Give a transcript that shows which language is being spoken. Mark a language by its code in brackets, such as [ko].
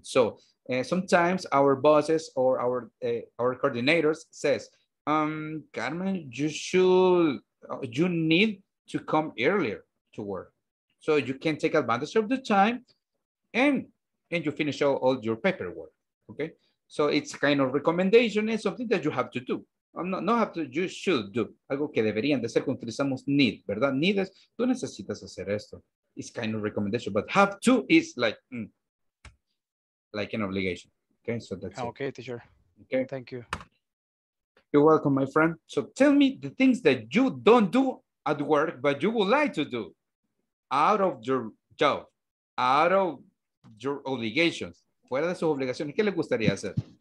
[en] So sometimes our bosses or our coordinators says, Carmen, you need to come earlier to work so you can take advantage of the time and you finish all your paperwork, okay? So it's kind of recommendation and something that you have to do. You should do. [es] Algo que deberían de ser cuando utilizamos need, ¿verdad? Need es, tú necesitas hacer esto. [en] It's kind of recommendation, but have to is like an obligation, okay? So that's okay, it. Okay, teacher. Okay. Thank you. You're welcome, my friend. So tell me the things that you don't do at work, but you would like to do out of your job, out of your obligations. [es] Fuera de sus obligaciones, ¿qué le gustaría hacer?